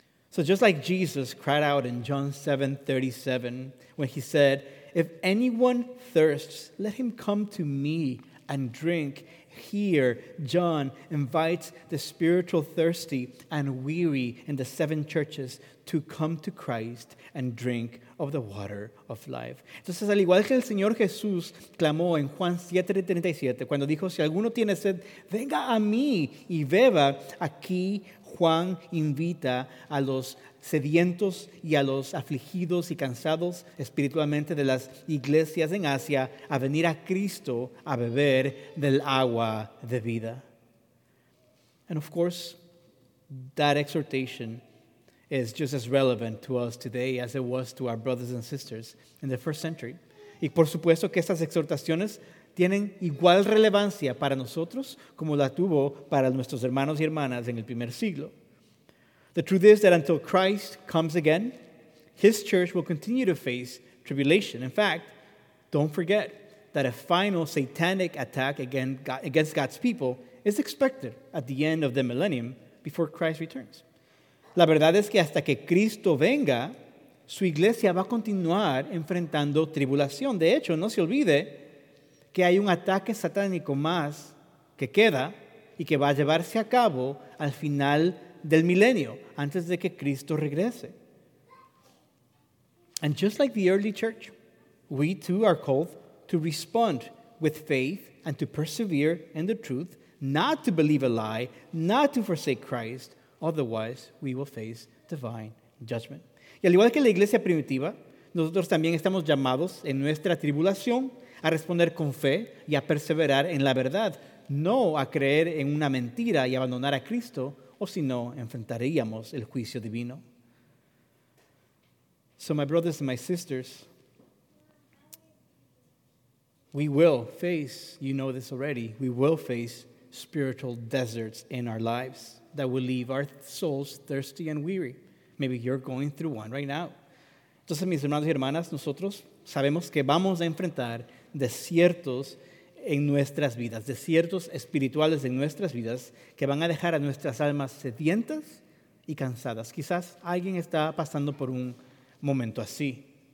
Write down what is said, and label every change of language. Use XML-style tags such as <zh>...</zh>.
<en>So just like Jesus cried out in John 7:37, when He said, "If anyone thirsts, let him come to me and drink." Here, John invites the spiritual thirsty and weary in the seven churches to come to Christ and drink of the water of life.</en> <es>Entonces, al igual que el Señor Jesús clamó en Juan 7:37, cuando dijo, si alguno tiene sed, venga a mí y beba, aquí Juan invita a los sedientos y a los afligidos y cansados espiritualmente de las iglesias en Asia a venir a Cristo a beber del agua de vida.</es> <en>And of course, that exhortation is just as relevant to us today as it was to our brothers and sisters in the first century.</en> <es>Y por supuesto que estas exhortaciones tienen igual relevancia para nosotros como la tuvo para nuestros hermanos y hermanas en el primer siglo.</es> <en>The truth is that until Christ comes again, His church will continue to face tribulation. In fact, don't forget that a final satanic attack against God's people is expected at the end of the millennium before Christ returns.</en> <es>La verdad es que hasta que Cristo venga, su iglesia va a continuar enfrentando tribulación. De hecho, no se olvide que hay un ataque satánico más que queda y que va a llevarse a cabo al final del milenio, antes de que Cristo regrese.</es> <en>And just like the early church, we too are called to respond with faith and to persevere in the truth, not to believe a lie, not to forsake Christ, otherwise we will face divine judgment.</en> <es>Y al igual que la iglesia primitiva, nosotros también estamos llamados en nuestra tribulación a responder con fe y a perseverar en la verdad, no a creer en una mentira y abandonar a Cristo, o si no, enfrentaríamos el juicio divino.</es> <en>So my brothers and my sisters, we will face, you know this already, we will face spiritual deserts in our lives that will leave our souls thirsty and weary. Maybe you're going through one right now.</en> <es>Entonces, mis hermanos y hermanas, nosotros sabemos que vamos a enfrentar desiertos en nuestras vidas, desiertos espirituales en nuestras vidas que van a dejar a nuestras almas sedientas y cansadas. Quizás alguien está pasando por un momento así.</es>